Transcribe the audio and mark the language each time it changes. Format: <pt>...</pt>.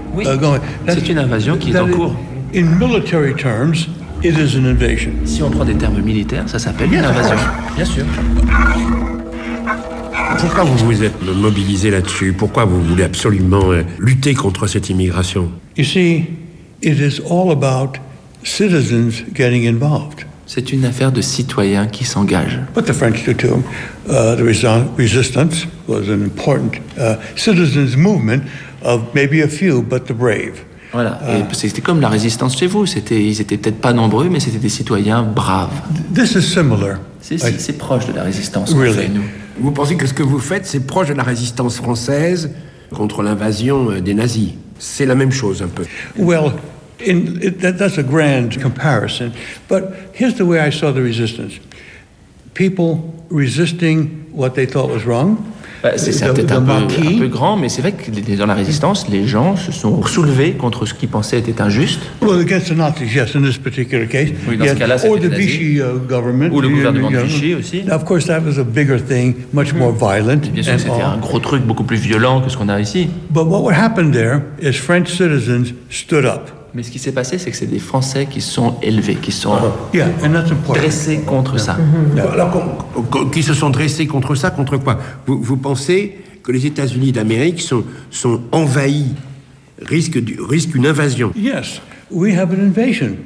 <fr>Oui. C'est une invasion qui est en cours.</fr> <en>In military terms, It is an invasion.</en> <fr>Si on prend des termes militaires, ça s'appelle une invasion. Bien sûr. Pourquoi vous vous êtes mobilisé là-dessus? Pourquoi vous voulez absolument lutter contre cette immigration?</fr> <en>You see, it is all about citizens getting involved.</en> <fr>C'est une affaire de citoyens qui s'engagent.</fr> <en>But the French too, the resistance was an important citizens movement of maybe a few, but the brave.</en> <fr>Voilà, et c'était comme la résistance chez vous. C'était, ils étaient peut-être pas nombreux, mais c'était des citoyens braves.</fr> <en>This is similar.</en> <fr>C'est proche de la résistance chez</fr> <en>really.</en> <fr>Nous. Vous pensez que ce que vous faites, c'est proche de la résistance française contre l'invasion des nazis? C'est la même chose, un peu.</fr> <en>Well, that's a grand comparison. But here's the way I saw the resistance. People resisting what they thought was wrong.</en> <fr>C'est peut-être un peu grand, mais c'est vrai que dans la résistance, les gens se sont soulevés contre ce qu'ils pensaient était injuste.</fr> <en>Well, against the Nazis, yes, in this particular case.</en> <fr>Oui, dans ce cas-là, c'était</fr> <en>or the Vichy government.</en> <fr>Ou le gouvernement de Vichy aussi.</fr> <en>Now, of course, that was a bigger thing, much more violent.</en> <fr>Et bien sûr, c'était un gros truc, beaucoup plus violent que ce qu'on a ici.</fr> <en>But what happened there is French citizens stood up.</en> <fr>Mais ce qui s'est passé, c'est que c'est des Français qui sont élevés, qui sont dressés contre ça. Alors, qui se sont dressés contre ça, contre quoi? Vous pensez que les États-Unis d'Amérique sont envahis, risquent une invasion?</fr> <en>Yes, we have an invasion.</en>